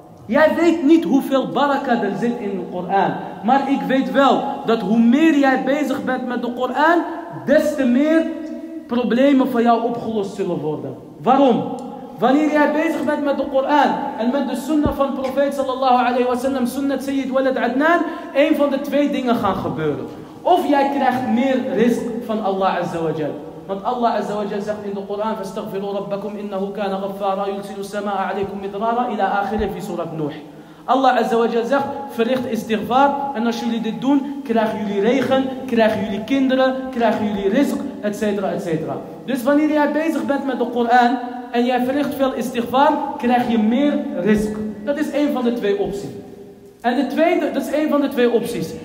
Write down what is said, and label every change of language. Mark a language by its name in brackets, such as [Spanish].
[Dutch] Jij weet niet hoeveel baraka er zit in de Koran. Maar ik weet wel dat hoe meer jij bezig bent met de Koran, des te meer problemen van jou opgelost zullen worden. Waarom? Wanneer jij bezig bent met de Koran en met de sunnah van profeet sallallahu alayhi wa sallam, sunnah Sayyid Walid Adnan, een van de twee dingen gaan gebeuren. Of jij krijgt meer rizq van Allah azza wa jal. Want Allah azza wa jal zegt in de Koran, [Arabic] فَاسْتَغْفِرُوا رَبَّكُمْ إِنَّهُ كَانَ غَفَّارًا يُلْسِلُ السَّمَاءَ عَلَيْكُمْ مِدْرَارًا إِلَىٰ آخِرٍ فِي سُورَةْ نُوح. [Dutch] Allah azza wa jal zegt, verricht istighfar en als jullie dit doen, krijgen jullie regen, krijgen jullie kinderen, krijgen jullie rizq, et cetera, et cetera. Dus wanneer jij bezig bent met de Koran en jij verricht veel istighfar, krijg je meer risk. Dat is een van de twee opties. En de tweede, dat is een van de twee opties.